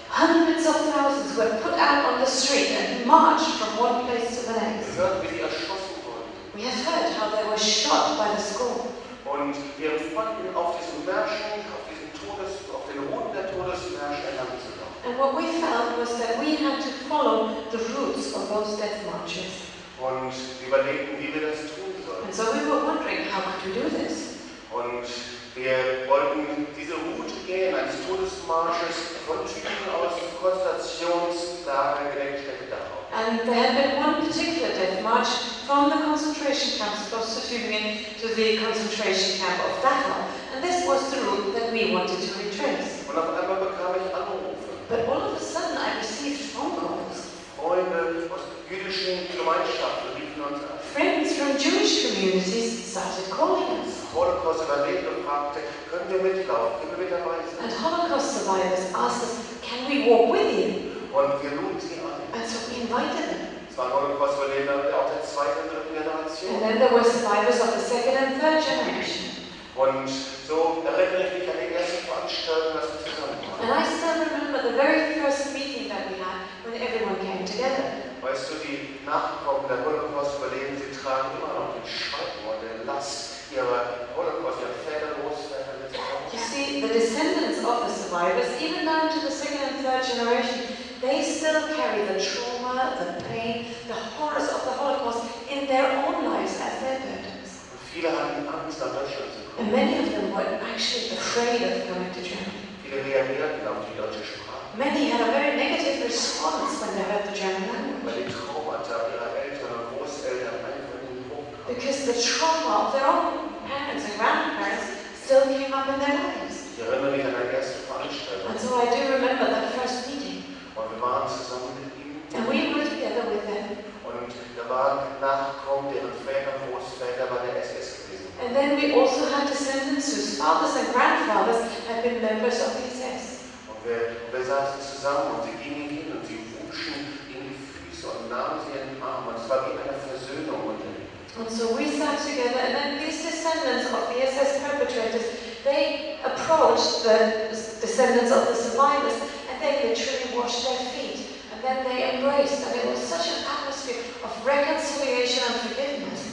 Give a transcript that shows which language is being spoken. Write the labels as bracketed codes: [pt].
[en] Hundreds of thousands were put out on the street and marched from one place to the next. [de] Wir hörten, wie sie erschossen wurden. [en] We have heard how they were shot by the school. [de] Und wir fanden auf diesen Märschen, auf den Routen der Todesmärsche entlang zu laufen. [en] And what we felt was that we had to follow the routes of those death marches. [de] Und wir überlegten, wie wir das tun sollen. [en] And so we were wondering, how could we do this? [de] Und wir wollten diese Route gehen, eines Todesmarsches, von Typen aus Konzentrationslagern, Gedenkstätte darauf. [en] And there had been one particular death march from the concentration camps close to Tübingen to the concentration camp of Dachau. And this was the route that we wanted to retrace. [de] Und auf einmal bekam ich Anrufe. [en] But all of a sudden I received phone calls. [de] Freunde aus jüdischen Gemeinschaften riefen uns an. [en] Friends from Jewish communities started calling us. [de] Holocaust überlebte und fragte, können wir mitlaufen, können wir mit dabei sein? [en] And Holocaust survivors asked us, can we walk with you? [de] Und wir luden sie an. [en] And so we invited them. [de] Es waren Holocaust-Überlebende auch der zweiten und dritten Generation. [en] And then there were survivors of the second and third generation. [de] Und so erinnere ich mich an die erste Veranstaltung, dass wir zusammen waren. [en] And I still remember the very first meeting that we had when everyone came together. [de] Weißt du, die Nachkommen der Holocaust-Überlebenden, sie tragen immer noch den Schatten und den Last ihrer Holocaust, ihrer Väter losfällt. [en] You see, the descendants of the survivors, even down to the second and third generation, they still carry the trauma, the pain, the horrors of the Holocaust in their own lives as their burdens. [de] Und viele hatten Angst, nach Deutschland zu kommen. [en] And many of them were actually afraid of coming to Germany. [de] Viele reagierten auf die deutsche Sprache. [en] Many had a very negative response when they heard the German language. [de] Weil die Traumata ihrer Eltern und Großeltern einfach in den Punkt kamen. [en] Because the trauma of their own parents and grandparents still came up in their lives. [de] Ich erinnere mich an eine erste Veranstaltung. [en] And so I do remember that first meeting. [de] Und wir waren zusammen mit ihnen. [en] And we were together with them. [de] Und da waren Nachkommen, deren Väter, Großväter bei der SS gewesen. [en] And then we also had descendants whose fathers and grandfathers had been members of the SS. [de] Und wir saßen zusammen und sie gingen hin und sie wuschen in die Füße und nahmen sie in den Arm. Und es war wie eine Versöhnung unter ihnen. [en] And so we sat together and then these descendants of the SS perpetrators, they approached the descendants of the survivors. They literally washed their feet and then they embraced, and it was such an atmosphere of reconciliation and forgiveness.